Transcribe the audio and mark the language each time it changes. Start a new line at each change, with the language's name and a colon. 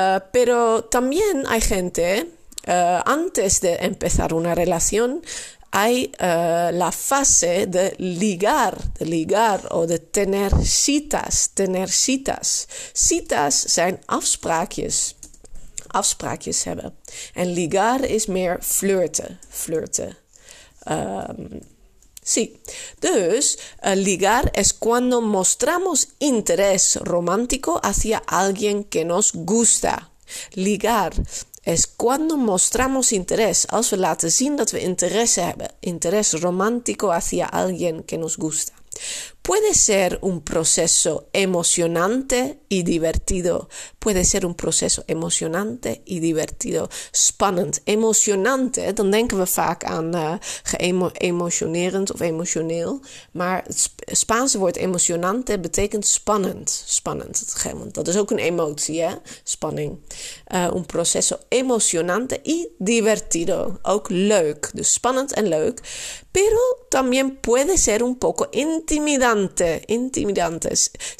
Spanish: Pero también hay gente, antes de empezar una relación, hay la fase de ligar o de tener citas.
Dutch: Citas zijn afspraakjes, afspraakjes hebben. En ligar is meer flirten, flirten.
Spanish: Sí, entonces, ligar es cuando mostramos interés romántico hacia alguien que nos gusta. Ligar es cuando mostramos interés,
Dutch: als we laten zien dat we interesse hebben,
Spanish: interés romántico hacia alguien que nos gusta. Puede ser un proceso emocionante y divertido. Puede ser un proceso emocionante y divertido.
Dutch: Spannend, emocionante. Dan denken we vaak aan geëmotionerend of emotioneel. Maar het Spaanse woord emocionante betekent spannend. Spannend. Dat is ook een emotie, hè? Spanning.
Spanish: Un proceso emocionante y divertido.
Dutch: Ook leuk. Dus spannend en leuk.
Spanish: Pero también puede ser un poco intimidante. Intimidantes.